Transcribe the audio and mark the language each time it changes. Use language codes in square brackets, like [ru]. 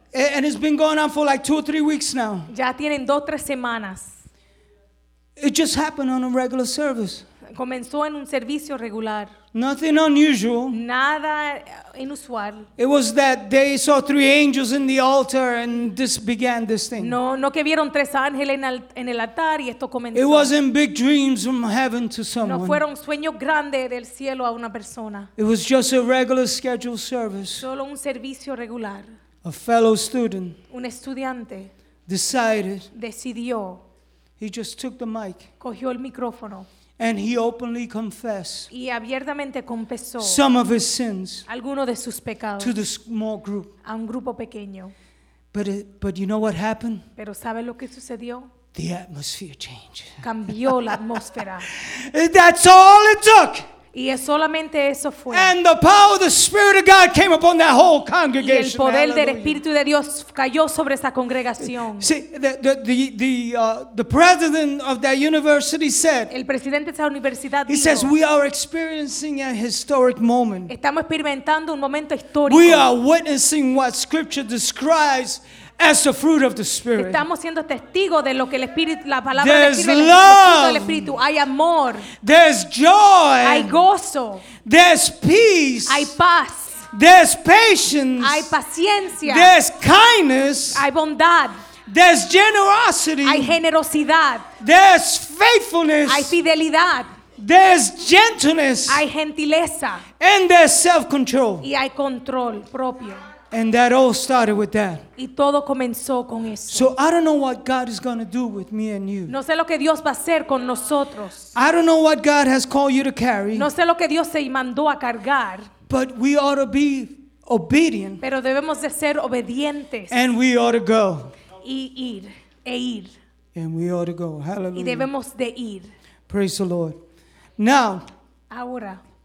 [en] And it's been going on for like 2 or 3 weeks now. [es] Ya tienen 2 o 3 semanas. [en] It just happened on a regular service. [es] Comenzó en un servicio regular. [en] Nothing unusual. [es] Nada inusual. [en] It was that they saw 3 angels in the altar and this began this thing. [es] No que vieron 3 ángeles en el altar y esto comenzó. [en] It wasn't big dreams from heaven to someone. [es] No fueron sueños grandes del cielo a una persona. [en] It was just a regular scheduled service. [es] Solo un servicio regular. [en] A fellow student. [es] Un estudiante. [en] Decided. [es] Decidió. [en] He just took the mic. [es] Cogió el micrófono. [en] And he openly confessed [es] y abiertamente confesó [en] some of his sins [es] alguno de sus pecados [en] to the small group. [es] A un grupo pequeño. [en] But you know what happened? [es] Pero ¿sabe lo que sucedió? [en] The atmosphere changed. [es] Cambió la atmósfera. [en] That's all it took. [es] Y es solamente eso fue. [en] And the power of the Spirit of God came upon that whole congregation. [es] Y el poder [en] Hallelujah. [es] Del Espíritu de Dios cayó sobre esa congregación. [en] See, the president of that university said. [es] El presidente de esa universidad [en] he [es] dijo. [en] He says we are experiencing a historic moment. [es] Estamos experimentando un momento histórico. We are witnessing what Scripture describes as the fruit of the Spirit. Estamos siendo testigos de lo que el Espíritu, la palabra describe. [en] There's love. [es] Del Espíritu. Hay amor. [en] There's joy. [es] Hay gozo. [en] There's peace. [es] Hay paz. [en] There's patience. [es] Hay paciencia. [en] There's kindness. [es] Hay bondad. [en] There's generosity. [es] Hay generosidad. [en] There's faithfulness. [es] Hay fidelidad. [en] There's gentleness. [es] Hay gentileza. [en] And there's self-control. [es] Y hay control propio. [en] And that all started with that. [es] Y todo comenzó con eso. [en] So I don't know what God is going to do with me and you. [es] No sé lo que Dios va a hacer con nosotros. [en] I don't know what God has called you to carry. [es] No sé lo que Dios se mandó a cargar. [en] But we ought to be obedient. [es] Pero debemos de ser obedientes. [en] And we ought to go. [es] Y ir, e ir. [en] And we ought to go. Hallelujah. [es] Y debemos de ir. [en] Praise the Lord. Now. [es] Ahora.